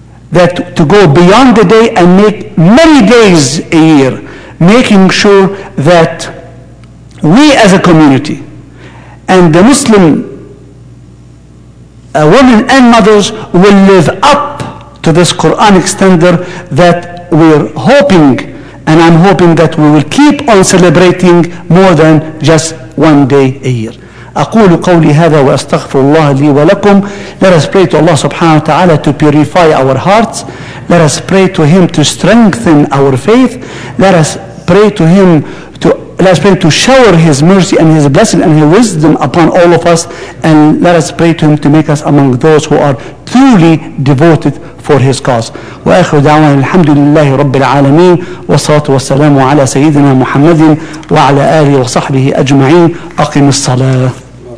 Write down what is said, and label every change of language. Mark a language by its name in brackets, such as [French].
[English] that to go beyond the day and make many days a year, making sure that we as a community and the Muslim women and mothers will live up to this Quranic standard that we're hoping. And I'm hoping that we will keep on celebrating more than just one day a year. [Arabic] أقول قولي هذا وأستغفر الله لي ولكم. [English] Let us pray to Allah subhanahu wa ta'ala to purify our hearts. Let us pray to Him to strengthen our faith. Let us pray to Him to shower His mercy and His blessing and His wisdom upon all of us. And let us pray to Him to make us among those who are truly devoted for His cause. [Arabic] وآخر دعوانا الحمد لله رب العالمين والصلاة والسلام على سيدنا محمد وعلى آله وصحبه أجمعين. أقم الصلاة.